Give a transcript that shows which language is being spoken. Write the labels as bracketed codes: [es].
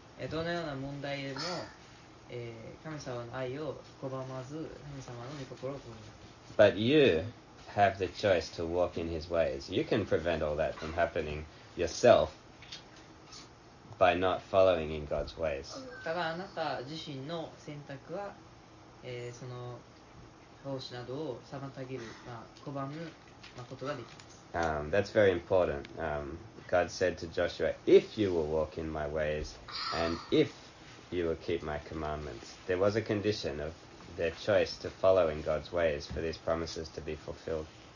[ja] どのような問題でも、神様の愛を拒まず、神様の御心を通ります。 [en] But you have the choice to walk in His ways. You can prevent all that from happening yourself by not following in God's ways. [ja] ただあなた自身の選択は、その奉仕などを妨げる、まあ、拒むことができます。 [en] That's very important. God said to Joshua, if you will walk in my ways, and if you will keep my commandments. There was a condition of their choice to follow in God's ways for these promises to be fulfilled.